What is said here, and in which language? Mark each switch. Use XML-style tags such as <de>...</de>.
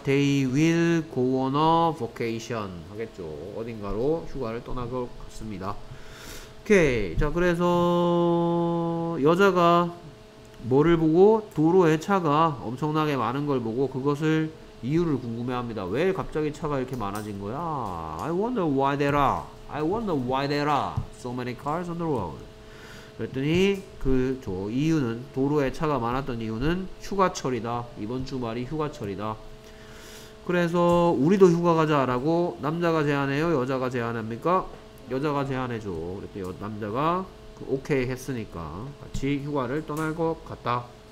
<en>They will go on a vacation</en> <ko>하겠죠. 어딘가로 휴가를 떠날 것 같습니다. 오케이. 자 그래서 여자가 뭐를 보고 도로에 차가 엄청나게 많은 걸 보고 그것을 이유를 궁금해합니다. 왜 갑자기 차가 이렇게 많아진 거야?</ko> <en>I wonder why there are so many cars on the road.</en> <ko>그랬더니 그 저 이유는 도로에 차가 많았던 이유는 휴가철이다. 이번 주말이 휴가철이다. 그래서 우리도 휴가 가자라고 남자가 제안해요. 여자가 제안합니까? 여자가 제안해줘. 그랬더니 남자가 그 오케이 했으니까 같이 휴가를 떠날 것 같다.</ko>